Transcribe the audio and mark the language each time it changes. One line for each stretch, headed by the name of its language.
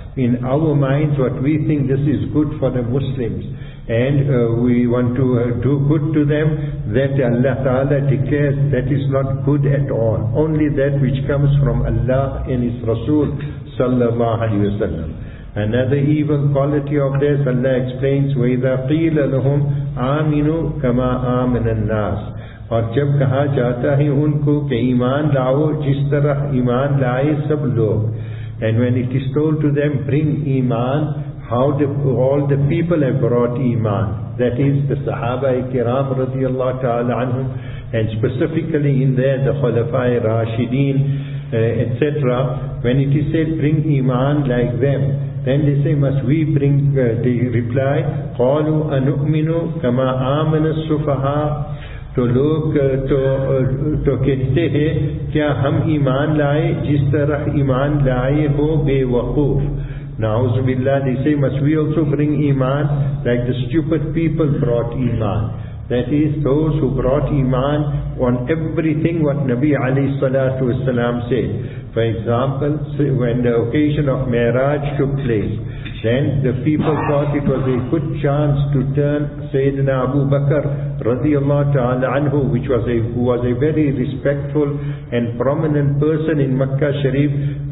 English: In our minds, what we think, this is good for the Muslims, and we want to do good to them, that Allah Ta'ala declares that is not good at all. Only that which comes from Allah and His Rasul sallallahu alayhi wa sallam. Another evil quality of this, Allah explains,
Arabic: وَإِذَا قِيلَ لَهُمْ آمِنُوا كَمَا آمِنَ النَّاسِ.
Urdu: اور جب کہا جاتا ہے ان کو کہ ایمان لاؤ جس طرح ایمان لائے سب لوگ.
English: And when it is told to them, bring ایمان, how all the people have brought ایمان. That is the Sahaba Ikram رضی اللہ تعالی عنہم, and specifically in there the Khulafai Rashideen, etc. When it is said, bring ایمان like them, then they say, must we bring, they reply,
Arabic: قَالُوا أَنُؤْمِنُوا كَمَا آمَنَ السُّفَحَا.
Urdu: تو لوگ تو کہتے ہیں, کیا ہم ایمان لائے جس طرح ایمان لائے ہو بے وقوف.
English: نعوذ باللہ, they say, must we also bring ایمان like the stupid people brought ایمان. That is, those who brought ایمان on everything what Nabi alayhi salatu wasalam said. For example, when the occasion of Miraj took place, then the people thought it was a good chance to turn Sayyidina Abu Bakr radiallahu ta'ala anhu, who was a very respectful and prominent person in Makkah Sharif.